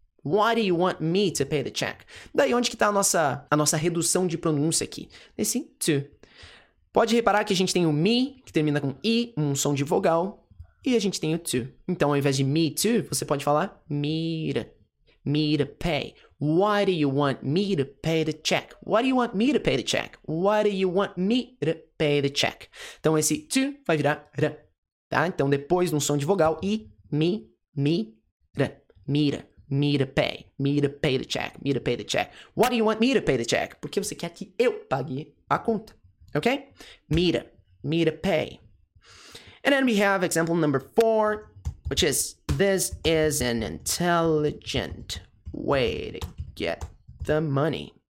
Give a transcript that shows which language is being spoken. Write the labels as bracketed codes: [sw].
[en] Why do you want me to pay the check? [pt] Daí onde que tá a nossa redução de pronúncia aqui? Nesse to. Pode reparar que a gente tem o me, que termina com i, um som de vogal. E a gente tem o to. Então, ao invés de me to, você pode falar me to pay. [en] Why do you want me to pay the check? Why do you want me to pay the check? Why do you want me to pay the check? [pt] Então, esse to vai virar ra. Tá? Então, depois, num som de vogal, i, [en] me to pay the check. Why do you want me to pay the check? [pt] Porque você quer que eu pague a conta. [en] Ok? Me to pay. And then we have example number 4, which is, this is an intelligent way to get the money.